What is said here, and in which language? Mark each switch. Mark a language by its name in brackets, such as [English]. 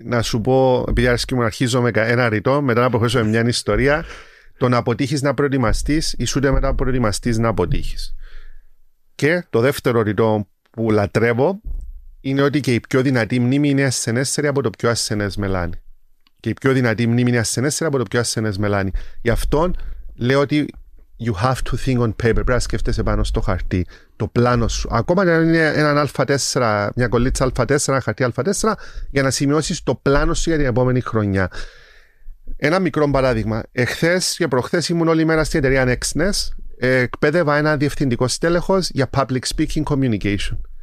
[Greek] Να σου πω, επειδή αρέσκει μου να αρχίζω με ένα ρητό, μετά να προχωρήσω με μια ιστορία. Το να αποτύχεις να προετοιμαστείς, ή ούτε μετά προετοιμαστείς να αποτύχεις. Και το δεύτερο ρητό που λατρεύω είναι ότι και η πιο δυνατή μνήμη είναι ασθενέστερη από το πιο ασθενές μελάνι. Και η πιο δυνατή μνήμη είναι ασθενέστερη από το πιο ασθενές μελάνι. Γι' αυτό λέω ότι [English] you have to think on paper. [Greek] Πρέπει να σκέφτεσαι πάνω στο χαρτί το πλάνο σου. Ακόμα και αν είναι έναν α4, μια κολλήτσα α4, ένα χαρτί α4, για να σημειώσεις το πλάνο σου για την επόμενη χρονιά. Ένα μικρό παράδειγμα. Εχθές και προχθές ήμουν όλη μέρα στην εταιρεία Nexness. Εκπαίδευα ένα διευθυντικό στέλεχος για public speaking communication.